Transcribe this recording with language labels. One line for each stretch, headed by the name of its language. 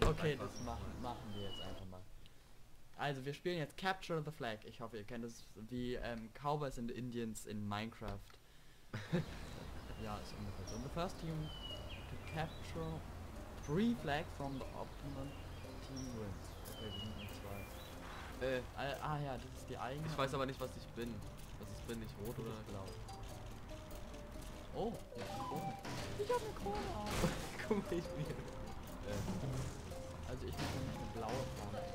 German: Okay, das machen wir jetzt einfach mal. Also, wir spielen jetzt Capture the flag. Ich hoffe, ihr kennt es wie Cowboys and Indians in Minecraft. Ja, ist ungefähr so.
English: The first team to capture 3 flags from the opponent team wins.
German: Okay, wir sind zwei. Ja, das ist die eigene. Ich weiß aber nicht, was ich bin. Was ich bin, nicht rot oder blau. Oh, ja, eine Krone. Ich hab eine Krone auf. Guck mal, ich bin. Also ich bin schon nicht eine blaue Frau.